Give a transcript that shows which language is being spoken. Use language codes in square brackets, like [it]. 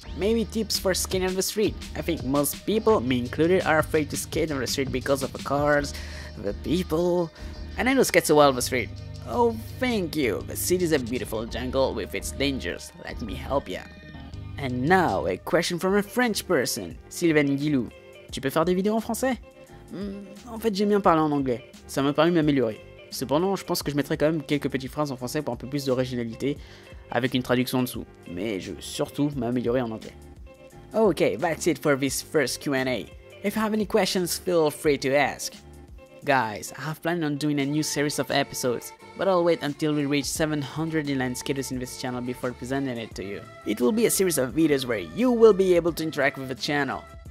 [en] Maybe tips for skating on the street. I think most people, me included, are afraid to skate on the street because of the cars, the people, and I know skate so well on the street. Oh, thank you. The city is a beautiful jungle with its dangers. Let me help ya. And now, a question from a French person, Sylvain Guillou. [fr] Tu peux faire des vidéos en français? En fait, j'aime bien parler en anglais. Ça m'a permis de m'améliorer. Cependant, je pense que je mettrai quand même quelques petites phrases en français pour un peu plus d'originalité, avec une traduction en dessous. Mais je veux surtout m'améliorer en anglais. [en] Okay, that's it for this first Q&A. If you have any questions, feel free to ask. Guys, I have planned on doing a new series of episodes, but I'll wait until we reach 700 inline skaters in this channel before presenting it to you. It will be a series of videos where you will be able to interact with the channel.